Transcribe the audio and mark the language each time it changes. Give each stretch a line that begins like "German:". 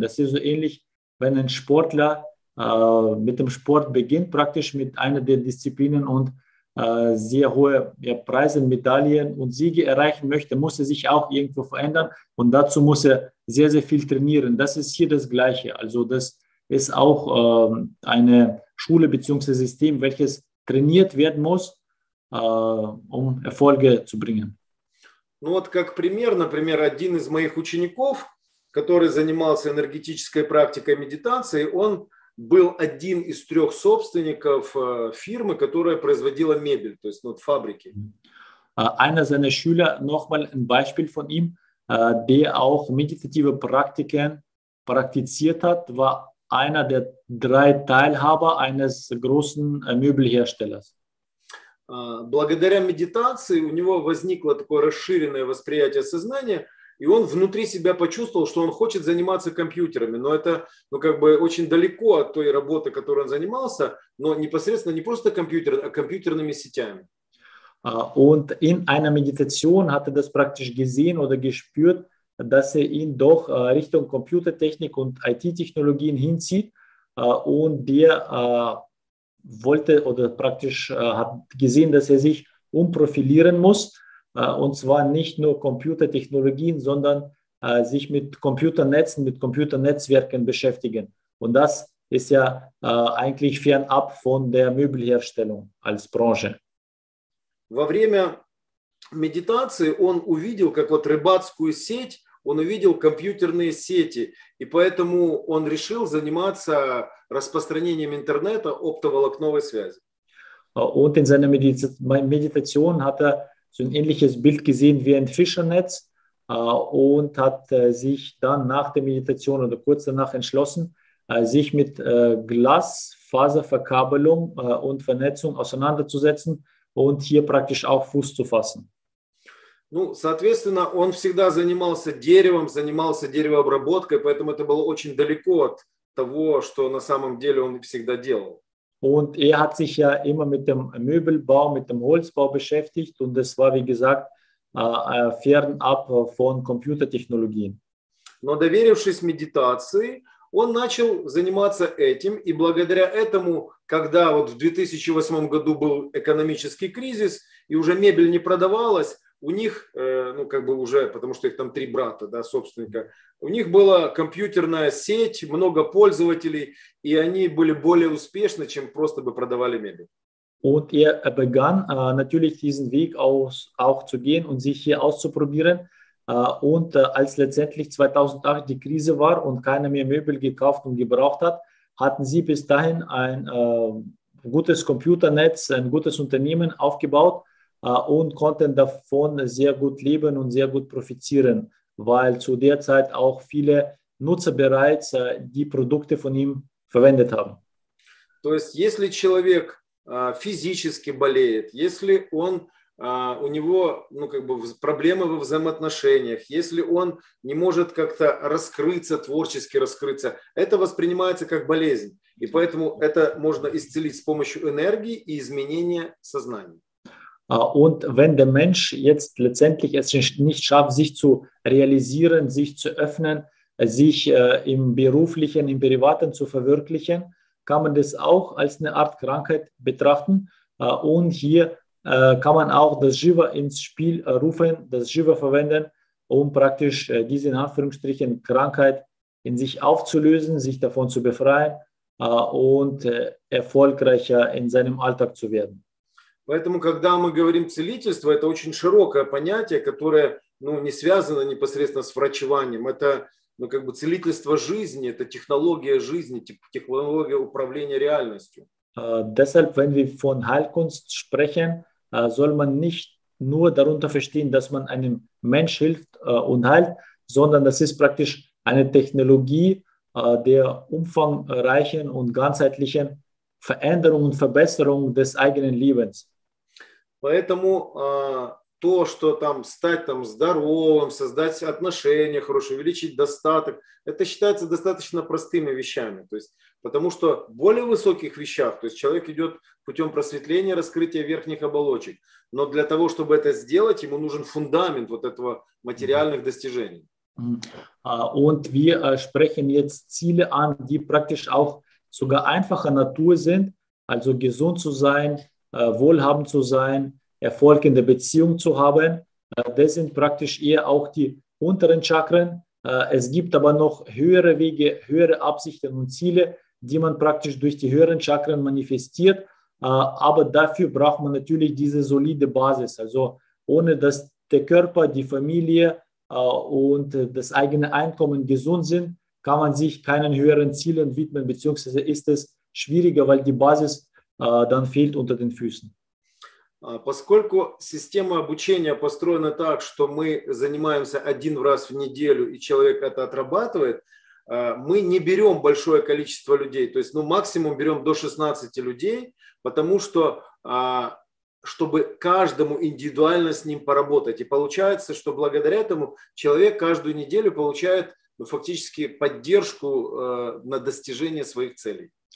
German: Das ist so ähnlich, wenn ein Sportler mit dem Sport beginnt, praktisch mit einer der Disziplinen und sehr hohe ja, Preise, Medaillen und Siege erreichen möchte, muss er sich auch irgendwo verändern und dazu muss er sehr, sehr viel trainieren. Das ist hier das Gleiche. Also das ist auch eine Schule bzw. System, welches trainiert werden muss, um Erfolge zu bringen.
Russian: Ну вот как пример, например, один из моих учеников, который занимался энергетической практикой медитации, он был один из трех собственников фирмы, которая производила мебель, то есть ну, фабрики.
German: Einer seiner Schüler, nochmal ein Beispiel von ihm, der auch meditative Praktiken praktiziert hat, war einer der drei Teilhaber eines großen Möbelherstellers.
Russian: Благодаря медитации у него возникло такое расширенное восприятие сознания, И он внутри себя почувствовал, что он хочет заниматься компьютерами. Но это, ну, как бы очень далеко от той работы, которой он занимался, но непосредственно не просто компьютерами, а компьютерными сетями.
German: Und in einer Meditation hat er das praktisch gesehen oder gespürt, dass er ihn doch Richtung Computertechnik und IT-Technologien hinzieht. Und der wollte oder praktisch hat gesehen, dass er sich umprofilieren muss. Und zwar nicht nur Computertechnologien, sondern sich mit Computernetzen, mit Computernetzwerken beschäftigen. Und das ist ja eigentlich fernab von der Möbelherstellung als Branche.
Russian: Во время медитации он увидел, как вот рыбацкую сеть, он увидел компьютерные сети, и поэтому он решил заниматься распространением интернета оптоволокновой связи.
German: Und in seiner Meditation hat so ein ähnliches Bild gesehen wie ein Fischernetz und hat sich dann nach der Meditation oder kurz danach entschlossen, sich mit Glasfaserverkabelung und Vernetzung auseinanderzusetzen und hier praktisch auch Fuß zu fassen.
Russian: Ну, соответственно, он всегда занимался деревом, занимался деревообработкой, поэтому это было очень далеко от того, что на самом деле он всегда делал.
German: Und hat sich ja immer mit dem Möbelbau, mit dem Holzbau beschäftigt, und das war, wie gesagt, fernab von Computertechnologien.
Russian: Но доверившись медитации, он начал заниматься этим, и благодаря этому, когда вот в 2008 году был экономический кризис, и уже мебель не продавалась, у них, ну как бы уже, потому что их там три брата, да, собственника, у них была компьютерная сеть, много пользователей, и они были более успешны, чем просто бы продавали мебель.
German: Und begann natürlich diesen Weg auch zu gehen und sich hier auszuprobieren. Und als letztendlich 2008 die Krise war und keiner mehr Möbel gekauft und gebraucht hat, hatten sie bis dahin ein gutes Computernetz, ein gutes Unternehmen aufgebaut und konnten davon sehr gut leben und sehr gut profitieren, weil zu der Zeit auch viele Nutzer bereits die Produkte von ihm verwendet haben.
Russian: То есть, если человек физически болеет, если он у него, ну, как бы проблемы во взаимоотношениях, если он не может как-то раскрыться, творчески раскрыться, это воспринимается как болезнь. И поэтому это можно исцелить с помощью энергии и изменения сознания.
German: Und wenn der Mensch jetzt letztendlich es nicht schafft, sich zu realisieren, sich zu öffnen, sich im Beruflichen, im Privaten zu verwirklichen, kann man das auch als eine Art Krankheit betrachten. Und hier kann man auch das Shiva ins Spiel rufen, das Shiva verwenden, um praktisch diese in Anführungsstrichen Krankheit in sich aufzulösen, sich davon zu befreien und erfolgreicher in seinem Alltag zu werden.
Russian: Поэтому, когда мы говорим целительство, это очень широкое понятие, которое, ну, не связано непосредственно с врачеванием. Это, ну, как бы целительство жизни, это технология жизни, технология управления реальностью.
German: Deshalb, wenn wir von Heilkunst sprechen, soll man nicht nur darunter verstehen, dass man einem Mensch hilft und heilt, sondern das ist praktisch eine Technologie der umfangreichen und ganzheitlichen Veränderung und Verbesserung des eigenen Lebens.
Russian: Поэтому то, что там стать там здоровым, создать отношения хорошие, увеличить достаток, это считается достаточно простыми вещами. То есть, потому что в более высоких вещах, то есть человек идет путем просветления, раскрытия верхних оболочек. Но для того, чтобы это сделать, ему нужен фундамент вот этого материальных достижений.
German: Und wir sprechen jetzt Ziele an, die praktisch auch sogar einfacher Natur sind, also gesund zu sein, wohlhabend zu sein, Erfolg in der Beziehung zu haben. Das sind praktisch eher auch die unteren Chakren. Es gibt aber noch höhere Wege, höhere Absichten und Ziele, die man praktisch durch die höheren Chakren manifestiert. Aber dafür braucht man natürlich diese solide Basis. Also ohne dass der Körper, die Familie und das eigene Einkommen gesund sind, kann man sich keinen höheren Zielen widmen, beziehungsweise ist es schwieriger, weil die Basis dann fehlt unter den Füßen.
Russian: Поскольку система обучения построена так, что мы занимаемся один раз в неделю, и человек это отрабатывает, мы не берем большое количество людей, то есть, ну, максимум берем до 16 людей, потому что чтобы каждому индивидуально с ним поработать. И получается, что благодаря этому человек каждую неделю получает фактически поддержку на достижение своих целей.